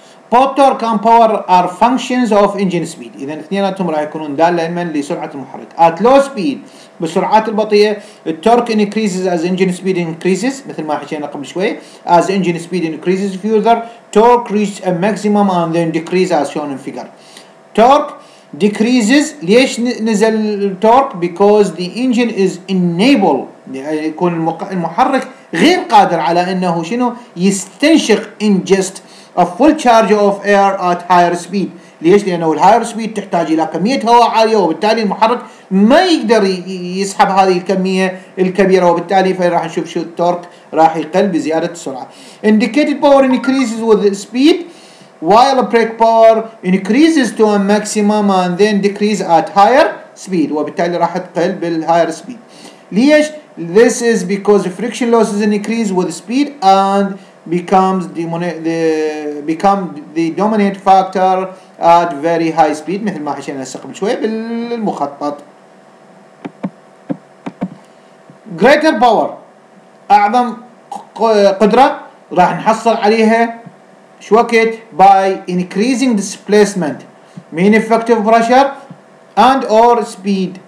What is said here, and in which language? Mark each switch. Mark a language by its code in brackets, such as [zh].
[en] Motor and power are functions of engine speed. [ar] إذا اثنيناتهم راح يكونون دالين لسرعة المحرك. [en] At low speed, [ar] بسرعات البطيئة, [en] the torque increases as engine speed increases. [ar] مثل ما حكينا قبل شوي. [en] As engine speed increases further, torque reaches a maximum and then decreases as shown in figure. Torque decreases. [ar] ليش نزل [en] torque? Because the engine is unable. [ar] يكون المحرك غير قادر على أنه شنو يستنشق [en] ingest a full charge of air at higher speed. [ar] ليش؟ لأنه [en] higher speed [ar] تحتاج إلى كمية هواء عالية وبالتالي المحرك ما يقدر يسحب هذه الكمية الكبيرة وبالتالي فراح نشوف شو التورك راح يقل بزيادة السرعة. [en] Indicated power increases with speed while brake power increases to a maximum and then decreases at higher speed. [ar] وبالتالي راح تقل بال [en] higher speed. [ar] ليش؟ [en] This is because friction losses increase with speed and becomes the dominant factor at very high speed. [ar] مثل ما حشينا نسقم شوي بالمخطط. [en] Greater power, [ar] أعظم قدرة راح نحصل عليها شو وقت [en] by increasing displacement, mean effective pressure and or speed.